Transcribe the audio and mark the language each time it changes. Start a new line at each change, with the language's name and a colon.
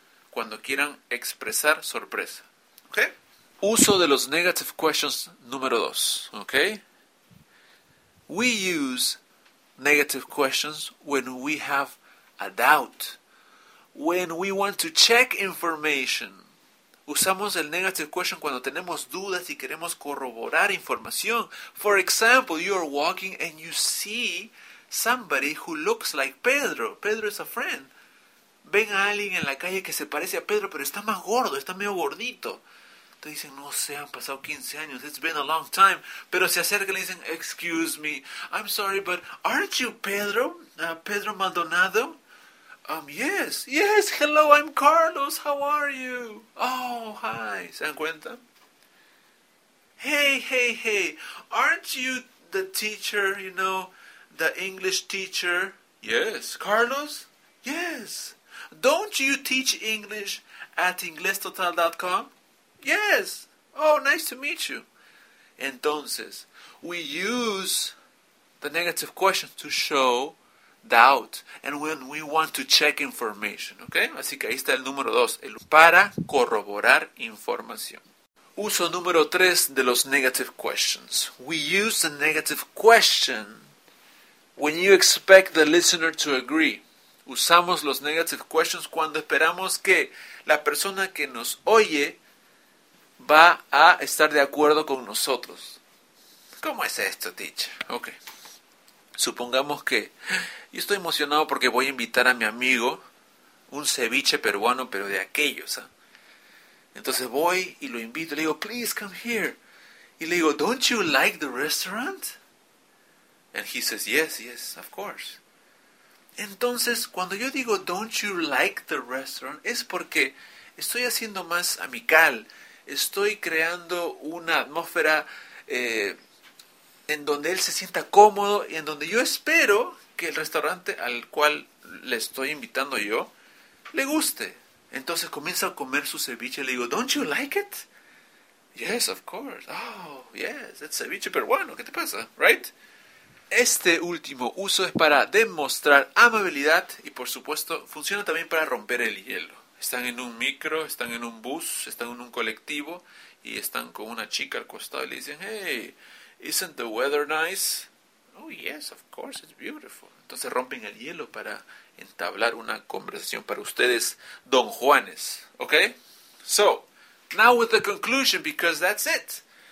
Spanish: Cuando quieran expresar sorpresa. ¿Ok? Uso de los negative questions número 2, ¿ok?
English: We use negative questions when we have a doubt. When we want to check information.
Spanish: Usamos el negative question cuando tenemos dudas y queremos corroborar información.
English: For example, you are walking and you see somebody who looks like Pedro. Pedro is a friend.
Spanish: Ven a alguien en la calle que se parece a Pedro, pero está más gordo, está medio gordito. Te dicen, no sé, han pasado 15 años,
English: it's been a long time.
Spanish: Pero se acercan y dicen,
English: excuse me, I'm sorry, but aren't you Pedro? Pedro Maldonado? Yes, hello, I'm Carlos, how are you? Oh, hi,
Spanish: ¿se dan cuenta?
English: Hey, aren't you the teacher, you know, the English teacher? Yes. Carlos? Yes. Don't you teach English at inglestotal.com? Yes. Oh, nice to meet you. Entonces, we use the negative questions to show doubt and when we want to check information, okay?
Spanish: Así que ahí está el número 2, el para corroborar información. Uso número 3 de los negative questions.
English: We use the negative question when you expect the listener to agree.
Spanish: Usamos los negative questions cuando esperamos que la persona que nos oye va a estar de acuerdo con nosotros. ¿Cómo es esto, teacher? Okay. Supongamos que yo estoy emocionado porque voy a invitar a mi amigo un ceviche peruano, pero de aquellos, ¿eh? Entonces voy y lo invito. Le digo,
English: please come here.
Spanish: Y le digo,
English: don't you like the restaurant? And he says, yes, of course.
Spanish: Entonces, cuando yo digo,
English: don't you like the restaurant,
Spanish: es porque estoy haciendo más amical. Estoy creando una atmósfera en donde él se sienta cómodo y en donde yo espero que el restaurante al cual le estoy invitando yo le guste. Entonces comienza a comer su ceviche y le digo,
English: don't you like it? Yes, of course. Oh, yes, it's ceviche,
Spanish: pero bueno, ¿qué te pasa?
English: Right?
Spanish: Este último uso es para demostrar amabilidad y, por supuesto, funciona también para romper el hielo. Están en un micro, están en un bus, están en un colectivo y están con una chica al costado y le dicen,
English: hey, isn't the weather nice? Oh, yes, of course, it's beautiful.
Spanish: Entonces rompen el hielo para entablar una conversación para ustedes, Don Juanes, ¿okay?
English: So, now with the conclusion, because that's it.